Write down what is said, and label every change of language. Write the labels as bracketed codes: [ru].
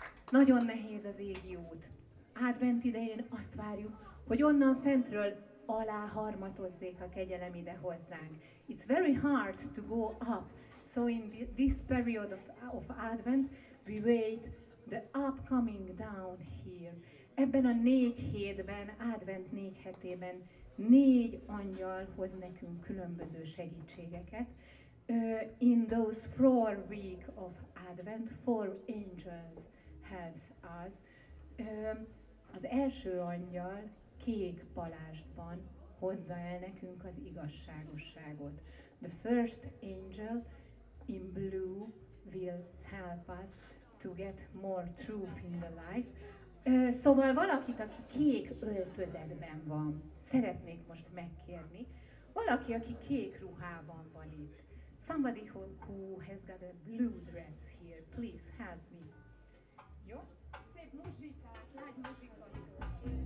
[hu] Nagyon nehéz az égi út. Advent idején azt várjuk, hogy onnan fentről alá harmatozzék a kegyelem ide hozzánk. [en] It's very hard to go up. So in this period of Advent, we wait the upcoming down here. [hu] Ebben a négy hétben, Advent négy hetében négy angyal hoz nekünk különböző segítségeket. [en] In those 4 weeks of Advent, 4 angels helps us. [hu] Az első angyal kék palástban hozza el nekünk az igazságosságot. [en] The first angel in blue will help us to get more truth in the life. [hu] Szóval valakit, aki kék öltözetben van, szeretnék most megkérni. Valaki, aki kék ruhában van itt. [en] Somebody who has got a blue dress here, please help me. [hu] Jó? Szép muzsikát, lágy muzsikát.